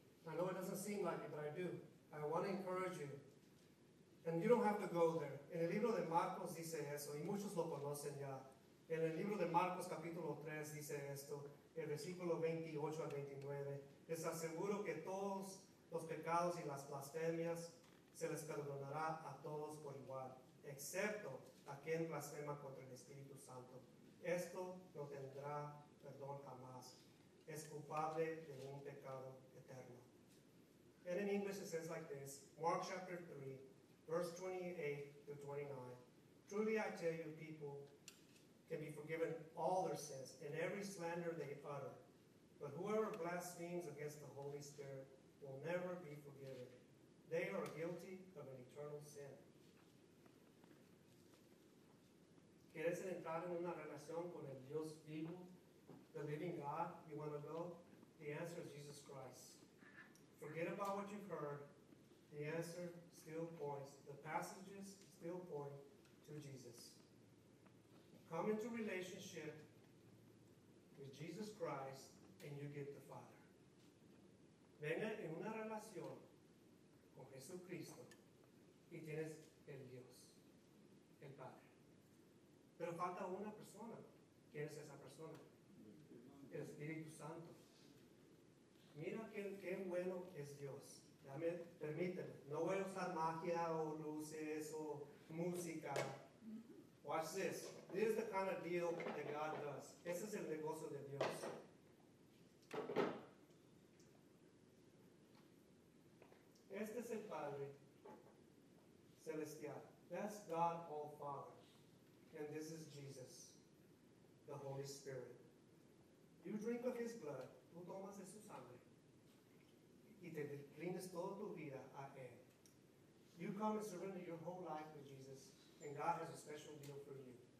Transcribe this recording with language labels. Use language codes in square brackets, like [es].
[en] I know it doesn't seem like it, but I do. I want to encourage you. And you don't have to go there. [es] En el libro de Marcos dice eso, y muchos lo conocen ya. En el libro de Marcos, capítulo 3, dice esto, el versículo 28 al 29. Les aseguro que todos los pecados y las blasfemias se les perdonará a todos por igual, excepto a quien blasfema contra el Espíritu Santo. Esto no tendrá perdón jamás. Es culpable de un pecado eterno. [en] And in English it says like this, Mark chapter 3, verse 28 to 29. Truly I tell you, people can be forgiven all their sins and every slander they utter. But whoever blasphemes against the Holy Spirit will never be forgiven. They are guilty of an eternal sin. [es] ¿Quieres entrar en una relación con el Dios vivo? [en] The living God, you want to go? The answer is Jesus Christ. Forget about what you've heard. The answer still points, the passages still point to Jesus. Come into relationship with Jesus Christ and you get the Father. [es] Venga en una relación con Jesucristo y tienes el Dios, el Padre. Pero falta una persona. ¿Quién es esa persona? El Espíritu Santo. Mira qué bueno es Dios. Permíteme, no voy a usar magia o luces o música. [en] Watch this. This is the kind of deal that God does. [es] Ese es el negocio de Dios. Este es el Padre Celestial. [en] That's God all Father. And this is Jesus, the Holy Spirit. You drink of his blood, [es] tú tomas de su sangre, y te declinas toda tu vida a él. [en] You come and surrender your whole life to Jesus, and God has a special deal for you.